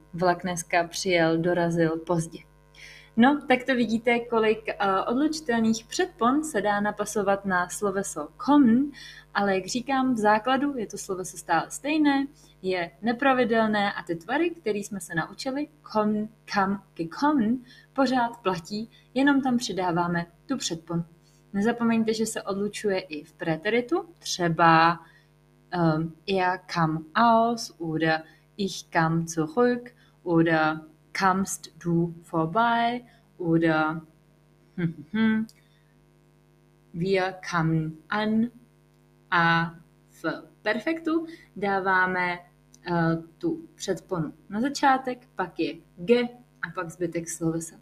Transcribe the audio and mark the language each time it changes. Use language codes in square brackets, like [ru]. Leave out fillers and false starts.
[cs] Vlak dneska přijel, dorazil pozdě. No, tak to vidíte, kolik odlučitelných předpon se dá napasovat na sloveso kommen, ale jak říkám, v základu je to sloveso stále stejné, je nepravidelné a ty tvary, které jsme se naučili, kommen, kam, gekommen, pořád platí, jenom tam přidáváme tu předpon. Nezapomeňte, že se odlučuje i v preteritu, třeba [de] er kam aus oder ich kam zurück oder kamst du vorbei oder wir kamen an. [cs] A v perfektu dáváme tu předponu na začátek, pak je ge a pak zbytek slovesa.